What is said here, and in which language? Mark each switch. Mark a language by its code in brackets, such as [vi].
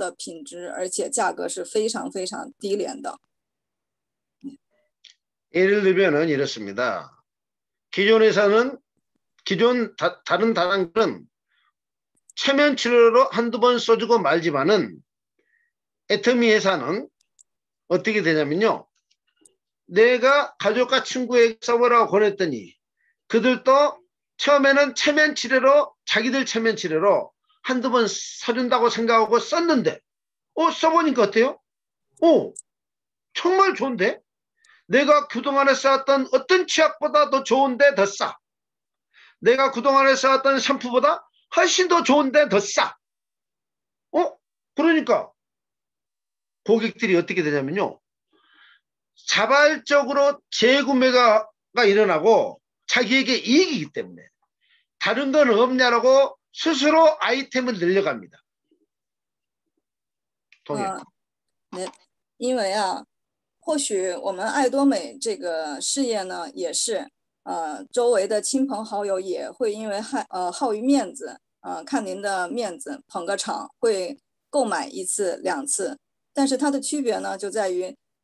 [zh] 估计也差不多吧。您要是有这样的一个偏见的话，希望您一定要把这个有色眼镜摘掉，因为我们爱多美它真的是非常非常高的品质，而且价格是非常非常低廉的。 [ko] 예를 들면은 이렇습니다. 기존 회사는 기존 다른 다단계는 체면 치료로 한두 번 써주고 말지만은 애터미 회사는 어떻게 되냐면요. 내가 가족과 친구에게 써보라고 권했더니 그들도 처음에는 체면 치료로 자기들 체면 치료로 한두 번 사준다고 생각하고 썼는데 써보니까 어때요? 정말 좋은데? 내가 그동안에 써왔던 어떤 치약보다 더 좋은데 더 싸. 내가 그동안에 써왔던 샴푸보다 훨씬 더 좋은데 더 싸. 그러니까 고객들이 어떻게 되냐면요. 자발적으로 재구매가 일어나고 자기에게 이익이기 때문에 다른 건 없냐라고 스스로 아이템을 늘려갑니다. 동의. [zh] 因为啊，或许我们爱多美这个事业呢，也是，周围的亲朋好友也会因为好于面子，看您的面子捧个场，会购买一次两次。但是它的区别呢，就在于，